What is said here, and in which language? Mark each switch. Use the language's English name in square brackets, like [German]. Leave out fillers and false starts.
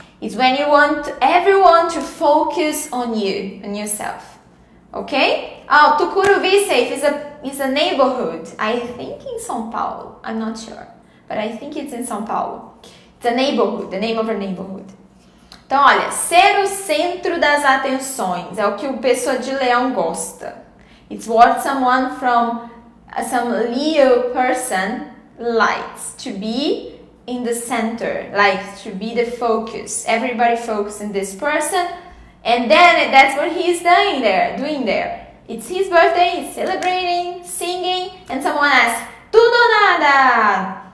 [English] It's when you want everyone to focus on you, on yourself. Ok? Oh, Tucuruvi safe is a neighborhood. I think in São Paulo. I'm not sure. But I think it's in São Paulo. The neighborhood, the name of a neighborhood. [Portuguese] Então, olha, ser o centro das atenções é o que o pessoa de leão gosta. [English] It's what someone from some Leo person likes, to be in the center, like to be the focus. Everybody focus on this person, and then that's what he's doing there. It's his birthday, he's celebrating, singing, and someone asks, [Portuguese] tudo nada!